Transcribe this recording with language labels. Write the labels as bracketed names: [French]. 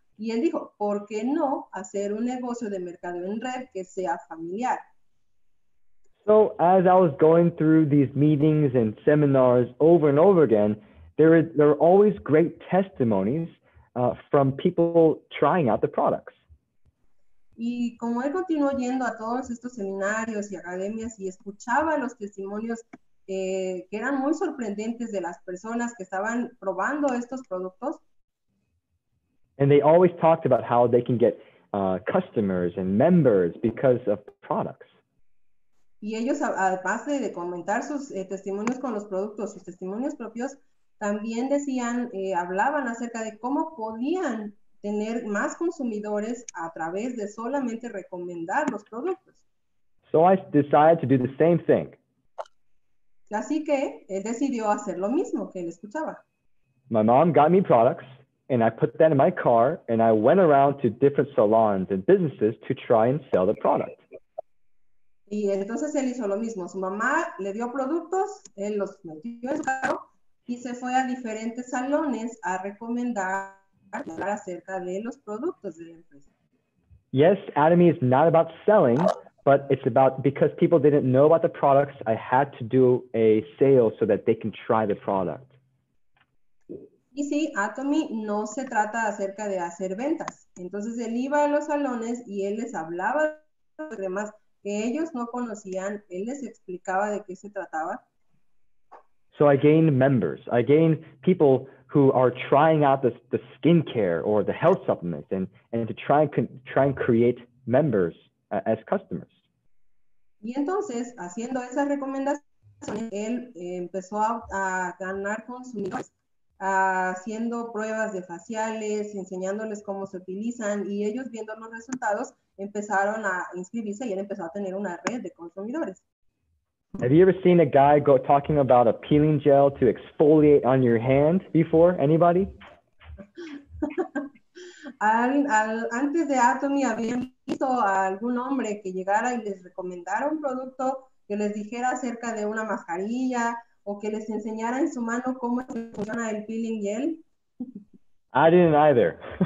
[Spanish] Y él dijo, ¿por qué no hacer un negocio de mercado en red que sea familiar? [English] So as I was going through these meetings and seminars over and over again, there are always great testimonies from people trying out the products. [Spanish] Y como él continuó yendo a todos estos seminarios y academias y escuchaba los testimonios que eran muy sorprendentes de las personas que estaban probando estos productos. [English] And they always talked about how they can get customers and members because of products. [Spanish] Y ellos, además de comentar sus testimonios con los productos, sus testimonios propios, también decían, hablaban acerca de cómo podían tener más consumidores a través de solamente recomendar los productos. [English] So I decided to do the same thing. [Spanish] Así que él decidió hacer lo mismo que él escuchaba. [English] My mom got me products, and I put that in my car, and I went around to different salons and businesses to try and sell the product. [Spanish] Y entonces él hizo lo mismo. Su mamá le dio productos, él los metió en su carro y se fue a diferentes salones a recomendar, a hablar acerca de los productos de la empresa. [English] Yes, Atomy is not about selling, but it's about, because people didn't know about the products, I had to do a sale so that they can try the product. [Spanish] Y sí, Atomy no se trata acerca de hacer ventas. Entonces él iba a los salones y él les hablaba de los temas que ellos no conocían, él les explicaba de qué se trataba. [English] So I gained members. I gained people who are trying out the skincare or the health supplements and to try and create members as customers. [Spanish] Y entonces, haciendo esa recomendación, él empezó a ganar consumidores, haciendo pruebas de faciales, enseñándoles cómo se utilizan, y ellos viendo los resultados, empezaron a inscribirse y él empezó a tener una red de consumidores. [English] Have you ever seen a guy go talking about a peeling gel to exfoliate on your hand before? Anybody? [Spanish] Antes de Atomy, habían visto a algún hombre que llegara y les recomendara un producto que les dijera acerca de una mascarilla o que les enseñara en su mano cómo funciona el peeling gel. [English] I didn't either.